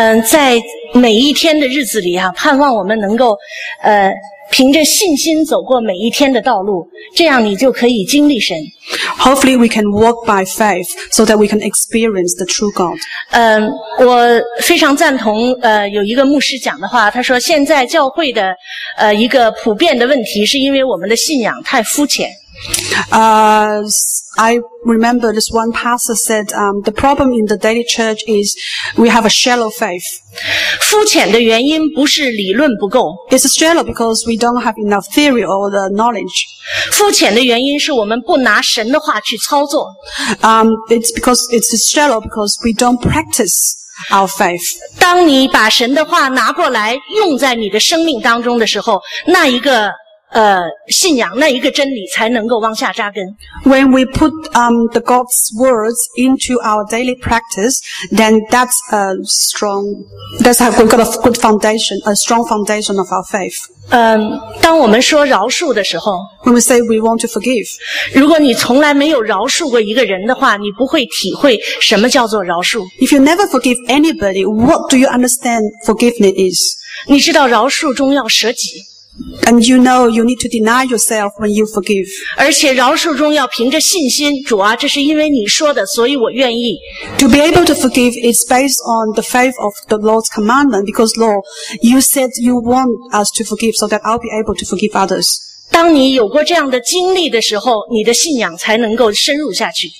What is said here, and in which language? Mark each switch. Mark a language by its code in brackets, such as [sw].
[zh] 在每一天的日子里啊，盼望我们能够凭着信心走过每一天的道路，这样你就可以经历神。 [en] Hopefully we can walk by faith so that we can experience the true God. [zh] 我非常赞同有一个牧师讲的话，他说现在教会的一个普遍的问题是因为我们的信仰太肤浅。 [en] I remember this one pastor said, the problem in the daily church is we have a shallow faith. [zh] 肤浅的原因不是理论不够。 [en] It's shallow because we don't have enough theory or the knowledge. [zh] 肤浅的原因是我们不拿神的话去操作。 [en] It's shallow because we don't practice our faith. [zh] 当你把神的话拿过来用在你的生命当中的时候，那一个信仰那一个真理才能够往下扎根。 [en] When we put the God's words into our daily practice, then that's a strong, that's how we've got a good foundation, a strong foundation of our faith. [zh] 当我们说饶恕的时候 [en] ，When we say we want to forgive, [zh] 如果你从来没有饶恕过一个人的话，你不会体会什么叫做饶恕。 [en] If you never forgive anybody, what do you understand forgiveness is? [zh] 你知道饶恕中要舍己。 [en] And you know you need to deny yourself when you forgive. [zh] 而且饶恕中要凭着信心，主啊，这是因为你说的，所以我愿意。 [en] To be able to forgive is based on the faith of the Lord's commandment, because Lord, you said you want us to forgive so that I'll be able to forgive others. [zh] 当你有过这样的经历的时候，你的信仰才能够深入下去。